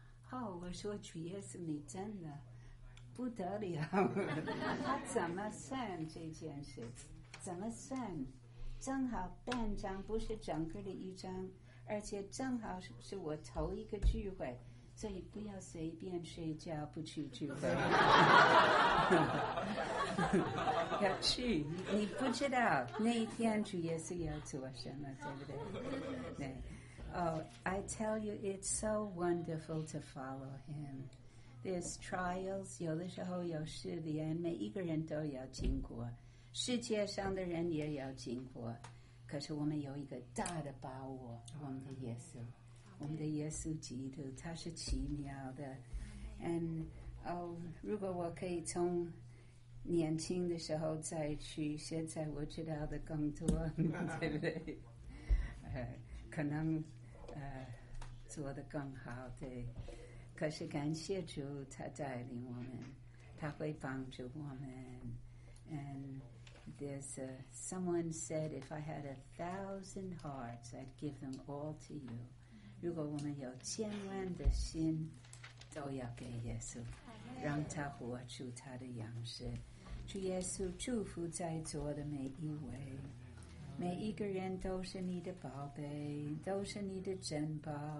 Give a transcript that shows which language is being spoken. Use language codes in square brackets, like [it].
[zh] 哦，我说主耶稣你真的不得了，他怎么算这件事，怎么算正好半章不是整个的一章，而且正好是我头一个聚会，所以不要随便睡觉不去聚会。要去，你不知道那一天主耶稣要做什么，对不对？对。 [en] Oh, I tell you, it's so wonderful to follow him. There's trials, [zh] 有的时候有试炼，每一个人都要经过，世界上的人也要经过，可是我们有一个大的把握，我们的耶稣，我们的耶稣基督，他是奇妙的。 [en] And, oh, [zh] 如果我可以从年轻的时候再去，现在我知道的更多，对不对？可能做得更好，对。可是感谢主，他带领我们，他会帮助我们。 [en] And there's a, someone said, if I had 1,000 hearts, I'd give them all to you. [zh] 如果我们有千万的心，都要给耶稣，让他活出他的样式。主耶稣祝福在座的每一位，每一个人都是你的宝贝，都是你的珍宝。